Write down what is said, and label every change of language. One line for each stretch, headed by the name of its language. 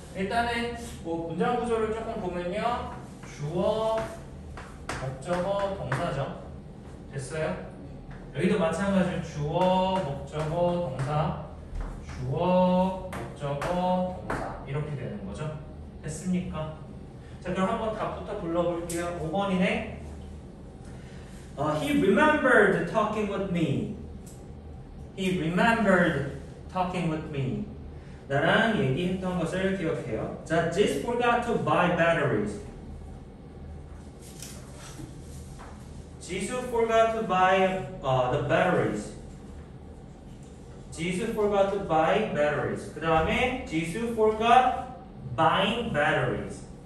Korean: 일단은 뭐 문장 구조를 조금 보면요, 주어, 목적어, 동사죠. 됐어요? 여기도 마찬가지로 주어, 목적어, 동사, 주어, 목적어, 동사 이렇게 되는 거죠. 됐습니까? 자, 그럼 한번 답부터 불러볼게요. 5번이네.
English: He remembered talking with me. He remembered talking with me.
Korean: 나랑 얘기했던 것을 기억해요.
English: That just forgot to buy batteries. Jesus forgot to buy the batteries. Jesus forgot to buy batteries.
Korean: 그 다음에
English: Jesus forgot buying batteries.